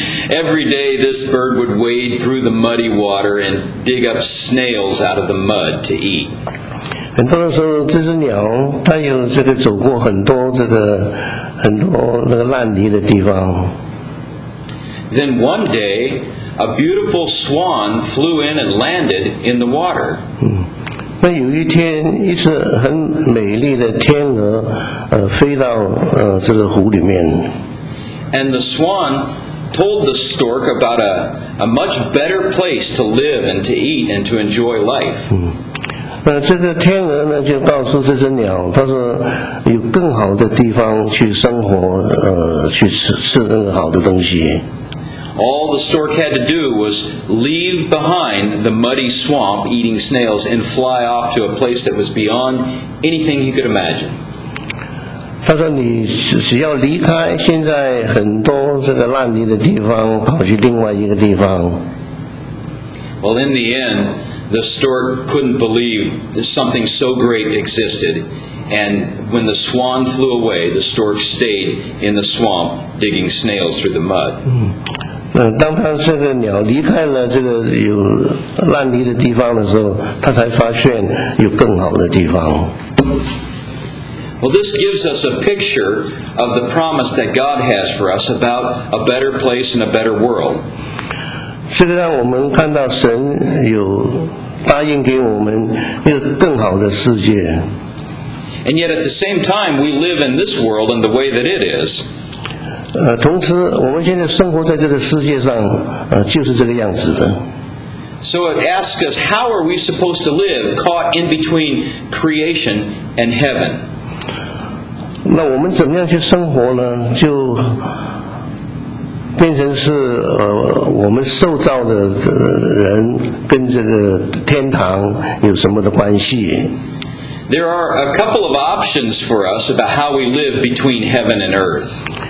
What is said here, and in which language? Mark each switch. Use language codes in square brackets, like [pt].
[en] Every day this bird would wade through the muddy water and dig up snails out of the mud to eat. [zh] 很多的时候这只鸟它有这个走过很多这个很多那个烂泥的地方。 [en] Then one day, a beautiful swan flew in and landed in the water. [zh] 那有一天，一只很美丽的天鹅，飞到这个湖里面。 [en] And the swan told the stork about a much better place to live and to eat and to enjoy life. [zh] 嗯，这个天鹅呢就告诉这只鸟，它说有更好的地方去生活，去吃更好的东西。 [en] All the stork had to do was leave behind the muddy swamp eating snails and fly off to a place that was beyond anything he could imagine. [zh] 他说你只要离开现在很多这个烂泥的地方跑去另外一个地方。 [en] Well, in the end, the stork couldn't believe something so great existed. And when the swan flew away, the stork stayed in the swamp digging snails through the mud. [zh] 当他这个鸟离开了这个有烂泥的地方的时候，他才发现有更好的地方。 [en] Well, this gives us a picture of the promise that God has for us about a better place and a better world. [zh] 这个让我们看到神有答应给我们一个更好的世界。 [en] And yet at the same time, we live in this world in the way that it is. [zh] 同时我们现在生活在这个世界上就是这个样子的。 [en] So it asks us, how are we supposed to live caught in between creation and heaven? [zh] 那我们怎么样去生活呢？就变成是我们受造的人跟这个天堂有什么的关系？ [en] There are a couple of options for us about how we live between heaven and earth.